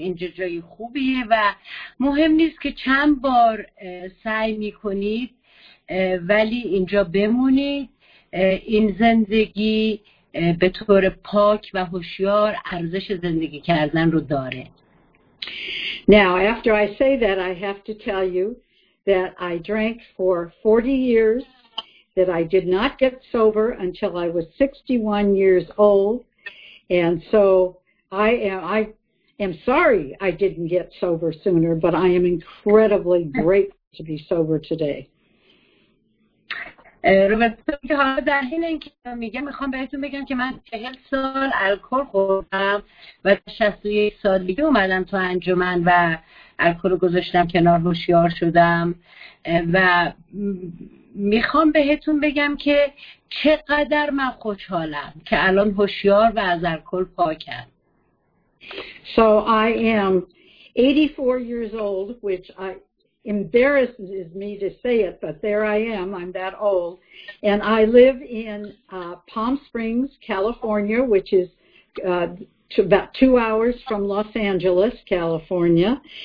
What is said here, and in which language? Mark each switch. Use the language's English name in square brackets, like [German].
[Persian] اینجا جای خوبیه و مهم نیست که چند بار سعی میکنید، ولی اینجا بمونید. این زندگی به طور پاک و هوشیار ارزش زندگی کردن رو داره. [English] Now, after I say that, I have to tell you that I drank for 40 years, that I did not get sober until I was 61 years old, and so I am sorry I didn't get sober sooner, but I am incredibly grateful to be sober today. [Persian] روبرتا که حالا در حین اینکه میگه میخوام بهتون بگم که من 40 سال الکل خوردم و 61 سالگی اومدم تو انجمن و الکل رو گذاشتم کنار، هوشیار شدم و میخوام بهتون بگم که چقدر من خوشحالم که الان هوشیار و از الکل پاکم. [English] So I am 84 years old, which I embarrasses me to say it, but there I am. I'm that old. And I live in Palm Springs, California, which is about 2 hours from Los Angeles, California.